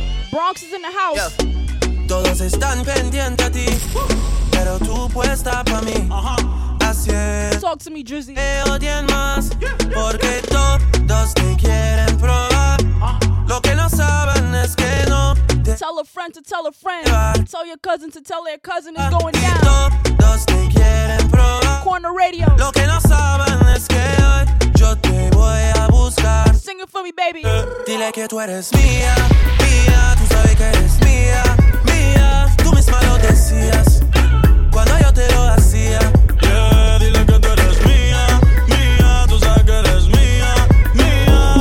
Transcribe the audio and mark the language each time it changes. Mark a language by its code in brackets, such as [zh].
[en] Bronx is in the house. [es] Todos están pendientes a ti, pero tú puesta pa' mí. Así es. [en] Talk to me, Drizzy. [es] Te odian más, porque todos te quieren probar. Lo que no saben es que no. [en] Tell a friend to tell a friend. Tell your cousin to tell their cousin it's going down. [es] Todos te quieren probar. [en] Corner radio. [es] Lo que no saben es que hoy yo te voy a buscar. [en] Sing it for me, baby. [es] Dile que tú eres mía, mía. Tú sabes que eres mía. Tú misma lo decías cuando yo te lo hacía. Yeah, dile que tú eres mía, mía. Tú sabes que eres mía, mía.